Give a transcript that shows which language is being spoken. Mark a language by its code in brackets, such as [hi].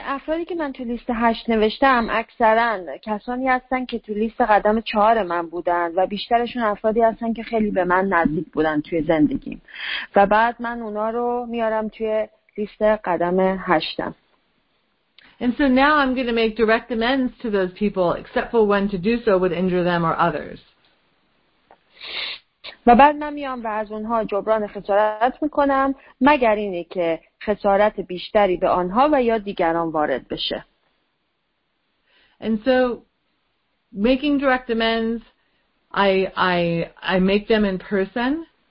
[en] go ahead. [fa] و افرادی که من تو لیست 8 نوشتم اکثرا کسانی هستن که تو لیست قدم 4 من بودن و بیشترشون افرادی هستن که خیلی به من نزدیک بودن توی زندگیم و بعد من اونا رو میارم توی لیست قدم 8م. [en] And so now I'm going to make direct amends to those people except for when to do so would injure them or others. [fa] و بعد من میام و از اونها جبران خسارت میکنم مگر اینه که خسارت بیشتری به آنها و یا دیگران وارد بشه. [en] And so making direct amends, I make them in person.